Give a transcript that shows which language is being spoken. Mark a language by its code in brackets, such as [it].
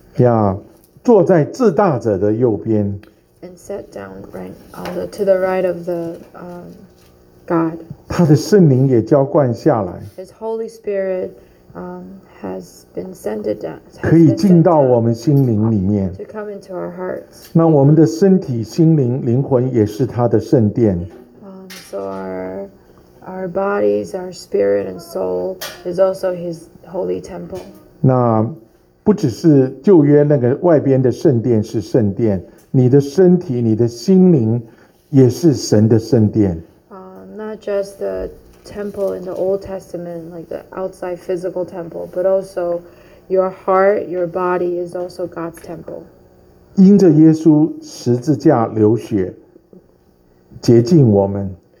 [zh] Yeah, 坐在至大者的右边。 [en] And sat down right on the to the right of the God. [zh] 他的圣灵也浇灌下来。 [en] His Holy Spirit has been sent down. [zh] 可以进到我们心灵里面。 [en] To come into our hearts. [zh] 那我们的身体、心灵、灵魂也是他的圣殿。 [en] our bodies, our spirit and soul is also his holy temple. [zh] 那不只是旧约那个外边的圣殿是圣殿，你的身体，你的心灵也是神的圣殿。 [en] Not just the temple in the Old Testament, like the outside physical temple, but also your heart, your body is also God's temple. [zh] 因着耶稣十字架流血，洁净我们。